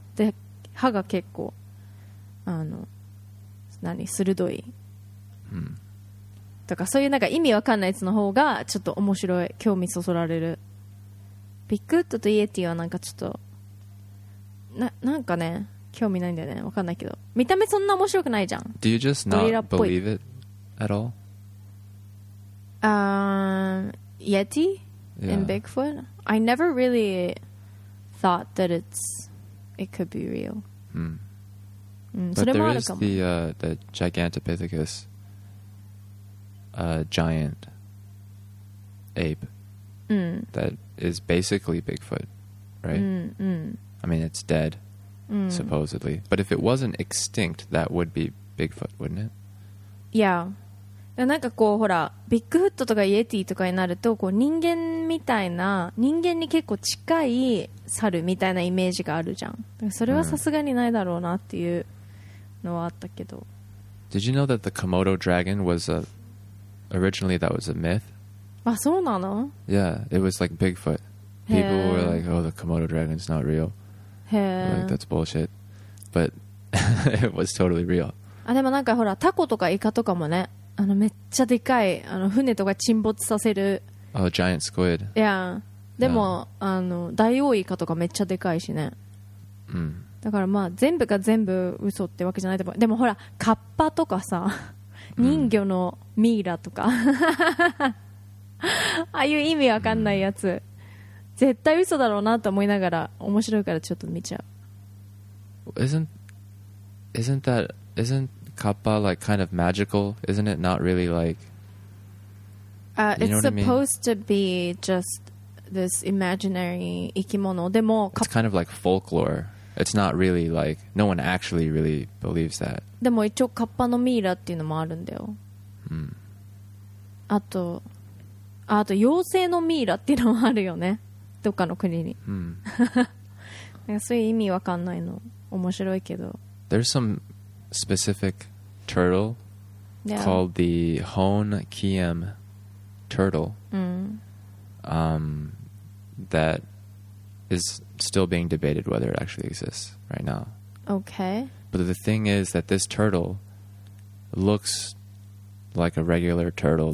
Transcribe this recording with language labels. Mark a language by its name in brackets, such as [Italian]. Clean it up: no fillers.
[Japanese] で、歯が結構、あの、何、鋭い。 Mm. とか、そういうなんか意味わかんないやつの方が、ちょっと面白い、興味そそられる。ビッグウッドとイエティはなんかちょっと、なんかね、興味ないんだよね、わかんないけど。見た目そんな面白くないじゃん。 [English] Do you just not believe it at all? Yeti and yeah. Bigfoot. I never really thought that it could be real. Hmm. But there is the Gigantopithecus, giant ape that is basically Bigfoot, right? I mean, it's dead, supposedly. But if it wasn't extinct, that would be Bigfoot, wouldn't it? Yeah. [Japanese] なんかこうほらビッグフットとかイエティとかになるとこう人間みたいな人間に結構近い猿みたいなイメージがあるじゃん。それはさすがにないだろうなっていうのはあったけど。 [English] Did you know that the Komodo dragon was a originally that was a myth? [Japanese] あ、そうなの？ [English] Yeah, it was like Bigfoot. People were like, oh, the Komodo dragon's not real. [Japanese] へえ。 [English] Like, that's bullshit. But it was totally real. [Japanese] あ、でもなんかほらタコとかイカとかもね。あのめっちゃでかいあの船とか沈没させる。 [English] Oh, giant squid. Yeah. [Japanese] でも、yeah. あのダイオウイカとかめっちゃでかいしね。だからまあ全部が全部嘘ってわけじゃないと思う。でもほらカッパとかさ、人魚のミイラとか、ああいう意味わかんないやつ、絶対嘘だろうなと思いながら面白いからちょっと見ちゃう。 [English] Isn't Kappa like kind of magical, isn't it? Not really like. It's supposed to be just this imaginary ikimono. It's kind of like folklore. It's not really like no one actually really believes that. [Japanese] でも一応カッパのミイラっていうのもあるんだよ。あと妖精のミイラっていうのもあるよね。どっかの国に。そういう意味わかんないの面白いけど。 [English] There's some specific. Turtle yeah. called the Hone Kiem turtle that is still being debated whether it actually exists right now. Okay. But the thing is that this turtle looks like a regular turtle.